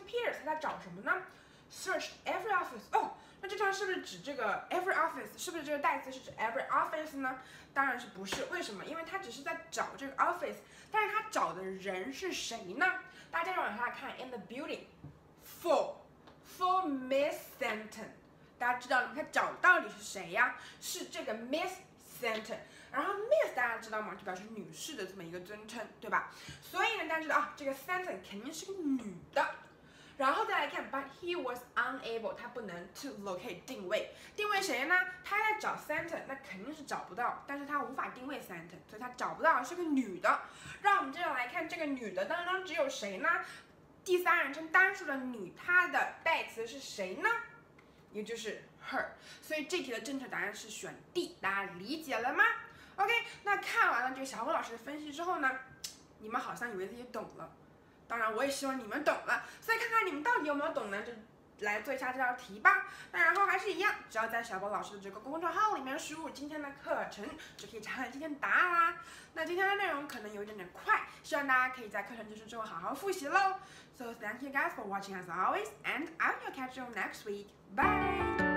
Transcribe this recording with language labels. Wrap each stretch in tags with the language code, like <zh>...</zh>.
<zh>Pierce 他在找什么呢？</zh> <en>Search every office。</en> <zh>哦，那这张是不是指这个</zh> <en>every office，</en> <zh>是不是这个代词是指 every office 呢？当然是不是，为什么？因为他只是在找这个 office， 但是他找的人是谁呢？大家往下看</zh> <en>in the building for Miss Stanton，</en> <zh>大家知道他找到底是谁呀？是这个 Miss Stanton。然后 Miss 大家知道吗？就表示女士的这么一个尊称，对吧？所以呢大家知道啊，这个 Stanton 肯定是个女的。然后再来看</zh> <en>but he was unable，</en> <zh>他不能</zh> <en>to locate</en> <zh>定位，定位谁呢？他在找 Santa， 那肯定是找不到，但是他无法定位 Santa， 所以他找不到，是个女的。让我们接着来看这个女的当中只有谁呢？第三人称单数的女，她的代词是谁呢？也就是 her。所以这题的正确答案是选 D， 大家理解了吗？ OK， 那看完了这个小虎老师的分析之后呢，你们好像以为自己懂了，当然我也希望你们懂了，所以看看你们到底有没有懂呢，就来做一下这道题吧。那然后还是一样，只要在小宝老师的这个公众号里面输入今天的课程就可以查看今天答案啦。那今天的内容可能有点快，希望大家可以在课程结束之后好好复习咯。</zh> <en>So thank you guys for watching as always and I will catch you next week. Bye.</en>